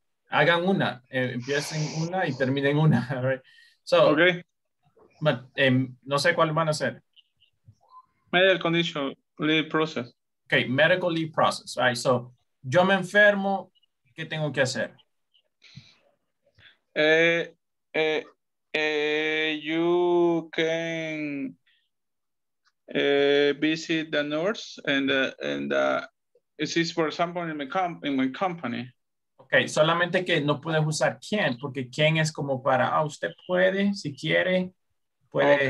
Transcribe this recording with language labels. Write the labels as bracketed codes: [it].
[es] Hagan una. Empiecen una y terminen una. Right. So, [en] okay. [es] No sé cuál van a hacer. [en] Medical condition, leave process. Okay, medical leave process. [es] All right, so, yo me enfermo, ¿qué tengo que hacer? [en] You can visit the nurse and this is, for example, in my company. [es] Okay, solamente que no puedes usar quien, porque quien es como para, usted puede, si quiere, puede.